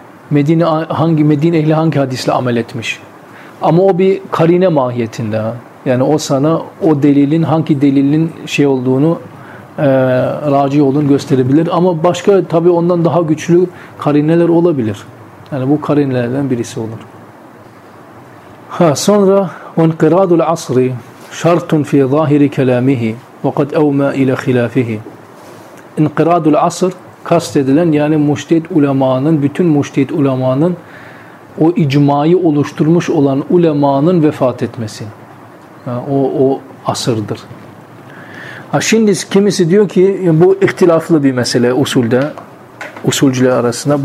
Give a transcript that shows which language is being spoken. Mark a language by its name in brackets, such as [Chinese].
[Turkish] Medine ehli hangi hadisle amel etmiş? Ama o bir karine mahiyetinde. Yani o sana o delilin hangi delilin şey olduğunu raci olduğunu gösterebilir. Ama başka tabii ondan daha güçlü karineler olabilir. Yani bu karinelerden birisi olur. Ha, sonra [Arabic] وَنْقِرَادُ الْعَصْرِ شَرْتٌ فِي ظَاهِرِ كَلَامِهِ وَقَدْ اَوْمَا اِلَى خِلَافِهِ. [Turkish] İnkıradul asr kastedilen yani müştehit ulemanın, bütün müştehit ulemanın o icmayı oluşturmuş olan ulemanın vefat etmesi. Yani o asırdır. Ha şimdi kimisi diyor ki bu ihtilaflı bir mesele usulde, usulcüler arasında.